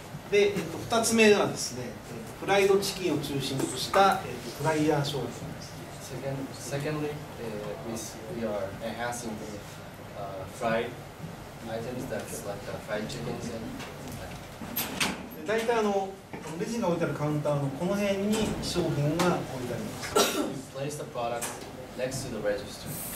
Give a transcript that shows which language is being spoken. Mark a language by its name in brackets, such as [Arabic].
[Japanese] で、2つ目はですね、フライドチキンを中心とした、フライヤー商品です。 [English] Secondly, we are enhancing the fried items, that's like fried chickens and that. [Japanese] 大体レジが置いてあるカウンターのこの辺に商品が置いてあります。 [English] We place the product next to the register.